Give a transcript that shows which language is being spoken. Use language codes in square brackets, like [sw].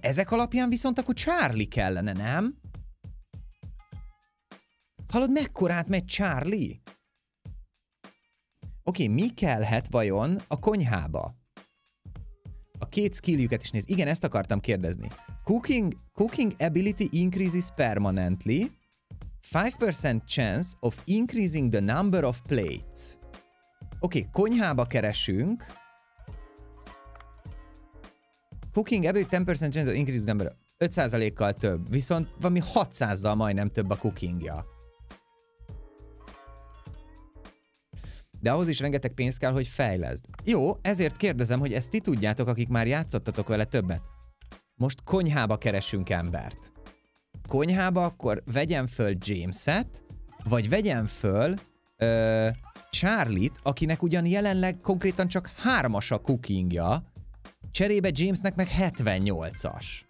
[hu] Ezek alapján viszont akkor Charlie kellene, nem? Hallod, mekkorát megy Charlie? Oké, mi kellhet vajon a konyhába? A két skilljüket is néz. Igen, ezt akartam kérdezni. [en] Cooking ability increases permanently. 5% chance of increasing the number of plates. [hu] Oké, konyhába keresünk. [en] Cooking ability 10% chance of increasing the number. [hu] 5%-kal több. Viszont valami 600-zal majdnem több a cookingja. De ahhoz is rengeteg pénz kell, hogy fejleszd. Jó, ezért kérdezem, hogy ezt ti tudjátok, akik már játszottatok vele többet. Most konyhába keresünk embert. Konyhába akkor vegyem föl James-et, vagy vegyem föl Charlie-t, akinek ugyan jelenleg konkrétan csak 3-as a cookingja, cserébe Jamesnek meg 78-as.